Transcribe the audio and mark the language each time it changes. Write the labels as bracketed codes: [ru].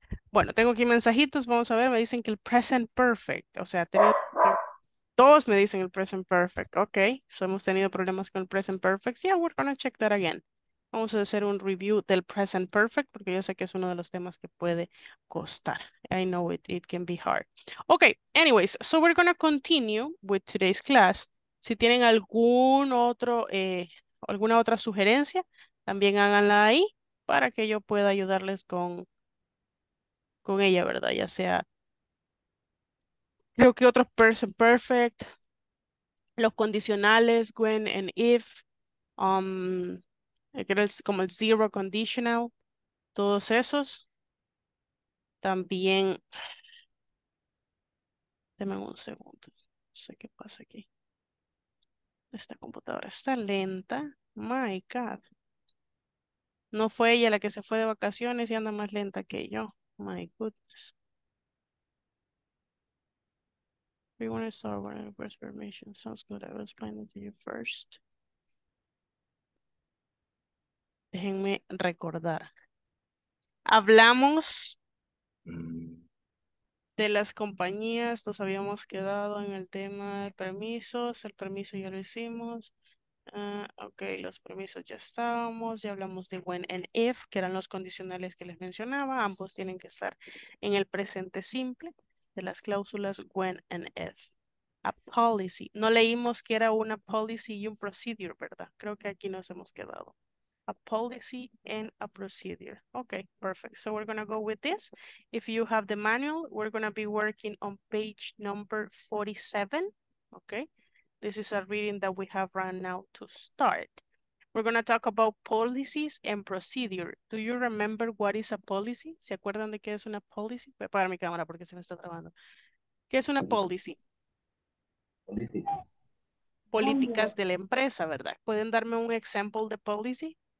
[es] Bueno, tengo aquí mensajitos. Vamos a ver. Me dicen que el present perfect. O sea, todos me dicen el present perfect. Ok. [en] So, [es] hemos tenido problemas con el present perfect. [en] Yeah, we're going to check that again. [es] Vamos a hacer un review del present perfect porque yo sé que es uno de los temas que puede costar. [en] I know it can be hard. Ok. Anyways, so we're going to continue with today's class. [es] Si tienen alguna otra sugerencia, también háganla ahí para que yo pueda ayudarles con ella, ¿verdad? Ya sea, creo que otros present perfect, los condicionales, when and if, como el zero conditional, todos esos. También, denme un segundo, no sé qué pasa aquí. Esta computadora está lenta. [en] My God. [es] No fue ella la que se fue de vacaciones y anda más lenta que yo. [en] My goodness. We want to start with a request permission. Sounds good. I was planning to you first. [es] Déjenme recordar. Hablamos de las compañías, nos habíamos quedado en el tema de permisos, el permiso ya lo hicimos, ok, los permisos ya estábamos, ya hablamos de when and if, que eran los condicionales que les mencionaba, ambos tienen que estar en el presente simple, de las cláusulas when and if. A policy, no leímos que era una policy y un procedure, ¿verdad? Creo que aquí nos hemos quedado. [en] A policy and a procedure. Okay, perfect. So we're going to go with this. If you have the manual, we're going to be working on page number 47. Okay, this is a reading that we have right now to start. We're going to talk about policies and procedure. Do you remember what is a policy? [es] ¿Se acuerdan de qué es una policy? Voy a apagar mi cámara porque se me está trabando. ¿Qué es una policy? Policy. Políticas de la empresa, ¿verdad? ¿Pueden darme un example de policy?